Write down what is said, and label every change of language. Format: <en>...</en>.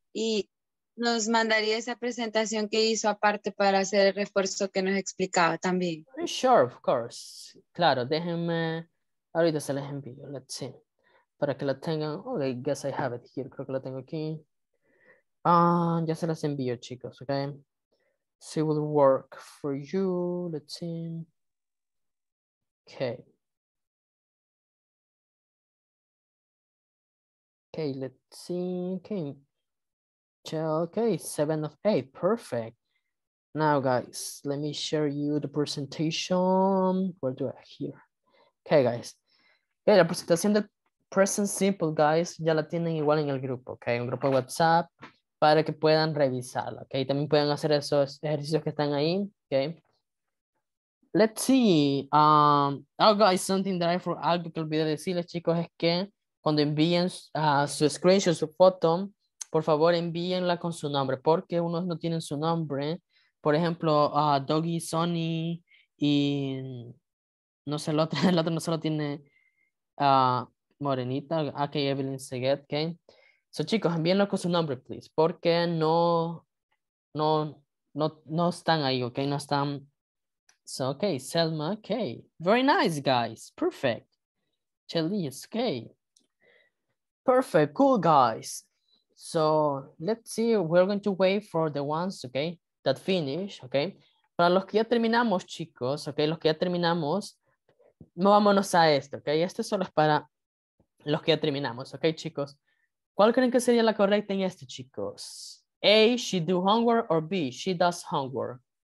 <es>Y nos mandaría esa presentación que hizo aparte para hacer el refuerzo que nos explicaba también.</es> <en>Very sure, of course.</en> <es>Claro, déjenme, ahorita se les envío,</es> <en>let's see,</en> <es>para que lo tengan, ok,</es> <en>guess I have it here,</en> <es>creo que lo tengo aquí. Ya se las envío, chicos, ok.</es> <en>So it will work for you, let's see. Ok. Ok, let's see, ok. Ok, 7 of 8, perfect. Now, guys, let me share you the presentation. Where do I here? Okay, guys.</en> <es>Okay, la presentación de present simple, guys, ya la tienen igual en el grupo, okay? En el grupo de WhatsApp, para que puedan revisarla, okay? También pueden hacer esos ejercicios que están ahí, okay?</es> <en>Let's see. Oh, guys, something that I for</en> <es>algo que olvidé decirles, chicos, es que cuando envíen su screenshot, su foto, por favor, envíenla con su nombre, porque unos no tienen su nombre. Por ejemplo, Doggy, Sonny y no sé, el otro no solo tiene Morenita, aka Evelyn Seguet, ¿ok? So, chicos, envíenlo con su nombre, please, porque no están ahí, ¿ok? No están.</es> <en>So, ok, Selma, ok. Very nice, guys. Perfect. Chelis, ok. Perfect, cool, guys. So, let's see, we're going to wait for the ones, ¿ok? That finish, ok.</en> <es>Para los que ya terminamos, chicos, ok, los que ya terminamos, vámonos a esto, ok. Este solo es para los que ya terminamos, ok, chicos. ¿Cuál creen que sería la correcta en este, chicos?</es> <en>A, she do homework, or B, she does homework.</en>